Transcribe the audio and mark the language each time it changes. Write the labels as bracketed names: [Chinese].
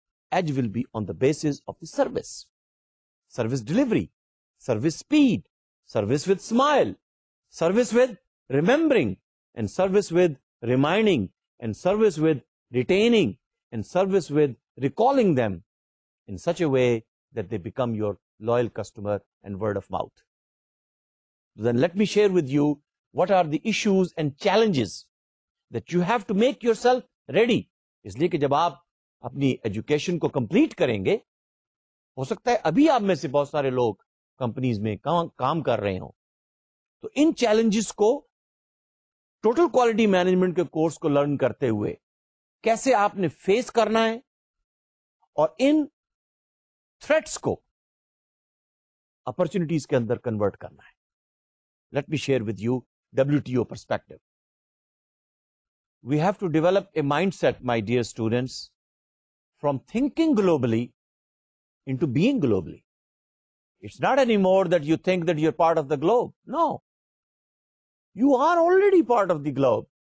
[English] Edge will be on the basis of the service, service delivery, service speed, service with smile, service with remembering, and service with reminding, and service with retaining, and service with recalling them in such a way that they become your loyal customer and word of mouth. Then let me share with you what are the issues and challenges that you have to make yourself ready. [Urdu] Isliye ki jab aap اپنی education کو complete کریں گے, ہو سکتا ہے ابھی آپ میں سے بہت سارے لوگ کمپنیز میں کام کر رہے ہوں, تو ان چیلنجز کو ٹوٹل کوالٹی مینجمنٹ کے کورس کو لرن کرتے ہوئے کیسے آپ نے فیس کرنا ہے اور ان تھریٹس کو اپرچونٹیز کے اندر کنورٹ کرنا ہے. [English] Let me share with you W T O perspective. We have to develop a mindset my dear students from thinking globally into being globally. It's not any more that you think that you are part of the globe. No, you are already part of the globe.